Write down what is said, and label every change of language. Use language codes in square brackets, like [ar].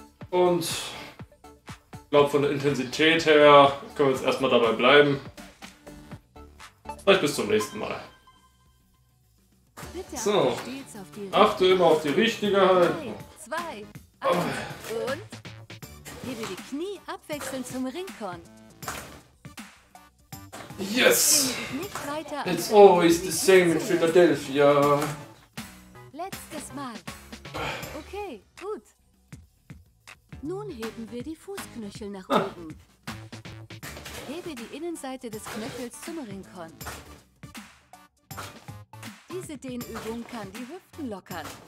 [de] Und ich glaube, von der Intensität her können wir jetzt erstmal dabei bleiben. Vielleicht bis zum nächsten Mal. So, achte immer auf die richtige Haltung. Und hebe die Knie abwechselnd zum Ringkorn. [en] Yes! It's always the same in Philadelphia. [de] Letztes Mal. Okay, gut. Nun heben wir die Fußknöchel nach oben. Hebe die Innenseite des Knöchels zum Ringkorn. Diese Dehnübung kann die Hüften lockern.